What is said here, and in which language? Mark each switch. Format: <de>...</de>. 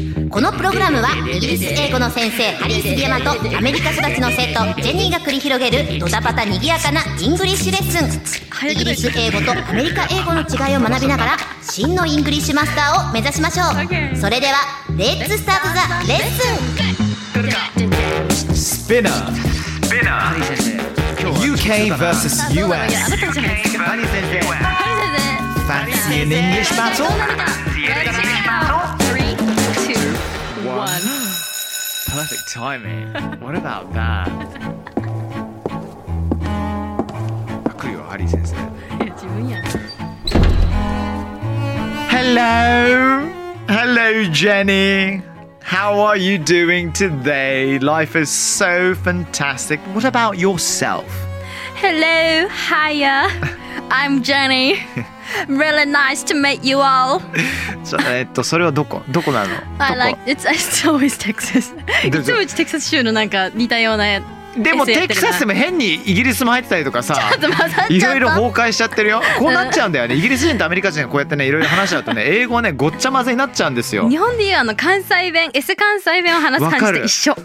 <ja>このプログラムはイギリス英語の先生ハリー杉山とアメリカ育ちの生徒ジェニーが繰り広げるドタパタにぎやかなイングリッシュレッスン。イギリス英語とアメリカ英語の違いを学びながら真のイングリッシュマスターを目指しましょう。</ja> <en>それではレッツスタートザレッスン。 Spinner UK vs US ハリー先生ハリー先生Fancy an English battle? Three, two, one. Perfect timing. What about that? Come on, Harry 先生. Hello, hello, Jenny. How are you doing today? Life is so fantastic. What about yourself? Hello, hiya. I'm Jenny. Really nice to meet you all.</en> <ja>それはどこなの？</ja> <en>I like it's always Texas.</en> <ja>いつもテキサス州のなんか似たような。でもテキサスも変にイギリスも入ってたりとかさ、いろいろ崩壊しちゃってるよ。こうなっちゃうんだよね。イギリス人とアメリカ人がこうやってね、いろいろ話しちゃうとね、英語はねごっちゃ混ぜになっちゃうんですよ。日本でいうあの関西弁、S 関西弁を話す感じと一緒。</ja>